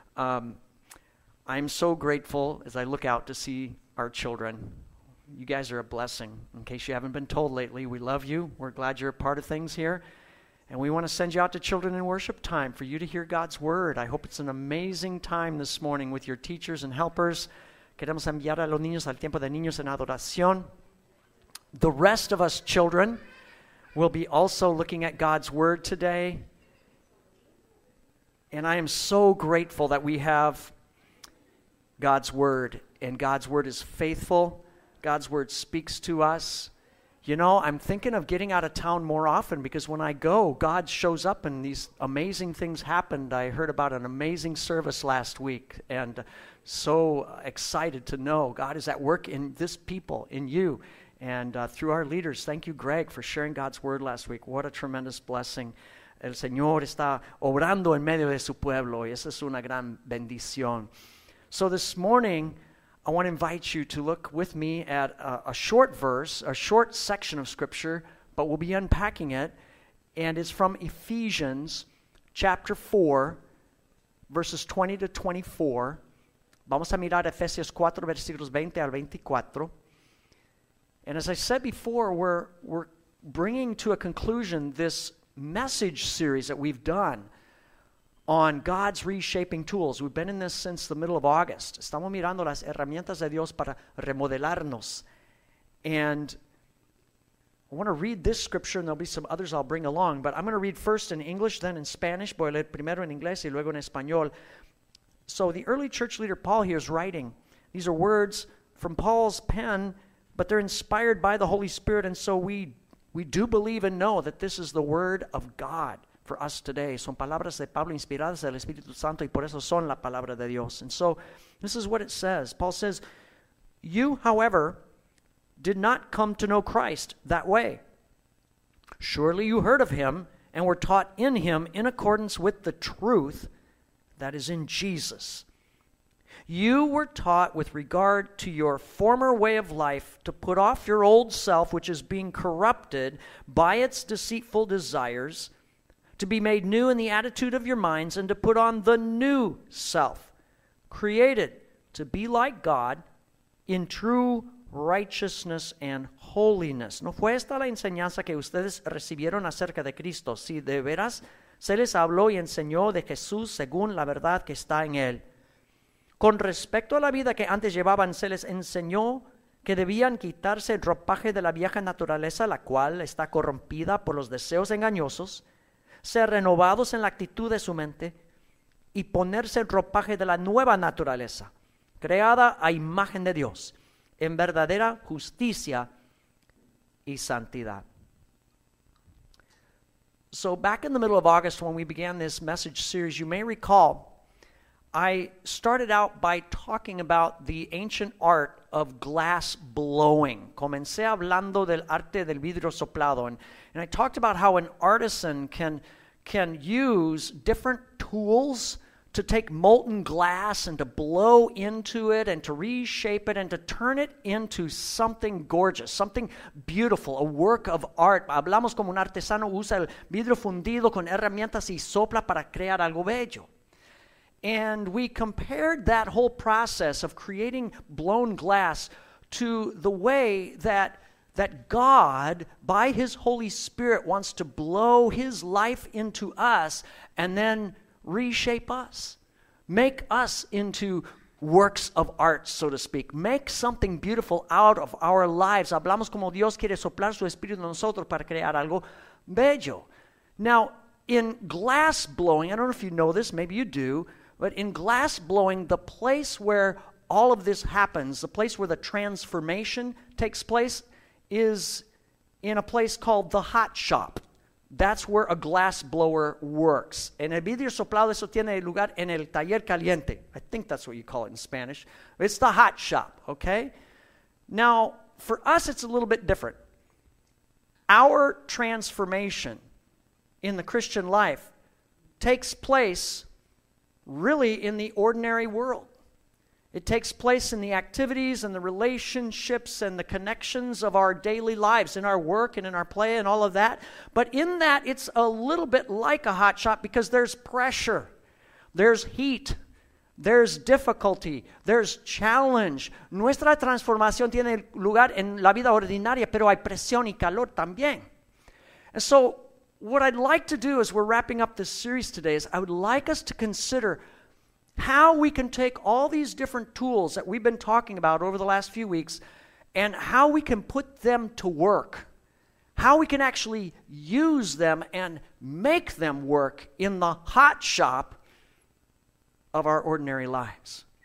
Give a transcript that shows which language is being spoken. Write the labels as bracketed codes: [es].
[en] I'm so grateful as I look out to see our children. You guys are a blessing. In case you haven't been told lately, we love you. We're glad you're a part of things here. And we want to send you out to Children in Worship time for you to hear God's word. I hope it's an amazing time this morning with your teachers and helpers. [es] Queremos enviar a los niños al tiempo de niños en adoración. [en] The rest of us children will be also looking at God's word today. And I am so grateful that we have God's word. And God's word is faithful. God's word speaks to us. You know, I'm thinking of getting out of town more often because when I go, God shows up and these amazing things happened. I heard about an amazing service last week and so excited to know God is at work in this people, in you, and through our leaders. Thank you, Greg, for sharing God's word last week. What a tremendous blessing. [es] El Señor está obrando en medio de su pueblo y esa es una gran bendición. [en] So this morning, I want to invite you to look with me at a short verse, a short section of Scripture, but we'll be unpacking it, and it's from Ephesians chapter 4, verses 20 to 24. [es] Vamos a mirar Efesios 4, versículos 20 al 24. [en] And as I said before, we're bringing to a conclusion this message series that we've done on God's reshaping tools. We've been in this since the middle of August. [es] Estamos mirando las herramientas de Dios para remodelarnos. [en] And I want to read this scripture, and there'll be some others I'll bring along, but I'm going to read first in English, then in Spanish. [es] Voy a leer primero en inglés y luego en español. [en] So the early church leader Paul here is writing. These are words from Paul's pen, but they're inspired by the Holy Spirit, and so we do believe and know that this is the word of God for us today. [es] Son palabras de Pablo inspiradas del Espíritu Santo y por eso son la palabra de Dios. [en] And so this is what it says. Paul says, "You, however, did not come to know Christ that way. Surely you heard of him and were taught in him in accordance with the truth that is in Jesus. You were taught with regard to your former way of life to put off your old self, which is being corrupted by its deceitful desires, to be made new in the attitude of your minds and to put on the new self, created to be like God in true righteousness and holiness." [es] ¿No fue esta la enseñanza que ustedes recibieron acerca de Cristo? Si de veras se les habló y enseñó de Jesús según la verdad que está en él. Con respecto a la vida que antes llevaban, se les enseñó que debían quitarse el ropaje de la vieja naturaleza, la cual está corrompida por los deseos engañosos, ser renovados en la actitud de su mente y ponerse el ropaje de la nueva naturaleza, creada a imagen de Dios, en verdadera justicia y santidad. [en] So back in the middle of August when we began this message series, you may recall, I started out by talking about the ancient art of glass blowing. [es] Comencé hablando del arte del vidrio soplado. [en] And I talked about how an artisan can use different tools to take molten glass and to blow into it and to reshape it and to turn it into something gorgeous, something beautiful, a work of art. [es] Hablamos como un artesano usa el vidrio fundido con herramientas y sopla para crear algo bello. [en] And we compared that whole process of creating blown glass to the way that God, by his Holy Spirit, wants to blow his life into us and then reshape us, make us into works of art, so to speak, make something beautiful out of our lives. [es] Hablamos como Dios quiere soplar su espíritu en nosotros para crear algo bello. [en] Now, in glass blowing, I don't know if you know this, maybe you do, but in glass blowing, the place where all of this happens, the place where the transformation takes place, is in a place called the hot shop. That's where a glass blower works. [es] En el vidrio soplado, eso tiene lugar en el taller caliente. [en] I think that's what you call it in Spanish. It's the hot shop, okay? Now, for us, it's a little bit different. Our transformation in the Christian life takes place really in the ordinary world. It takes place in the activities and the relationships and the connections of our daily lives, in our work and in our play and all of that. But in that, it's a little bit like a hot shot because there's pressure, there's heat, there's difficulty, there's challenge. [es] Nuestra transformación tiene lugar en la vida ordinaria, pero hay presión y calor también. [en] And so, what I'd like to do as we're wrapping up this series today is I would like us to consider how we can take all these different tools that we've been talking about over the last few weeks and how we can put them to work, how we can actually use them and make them work in the hot shop of our ordinary lives.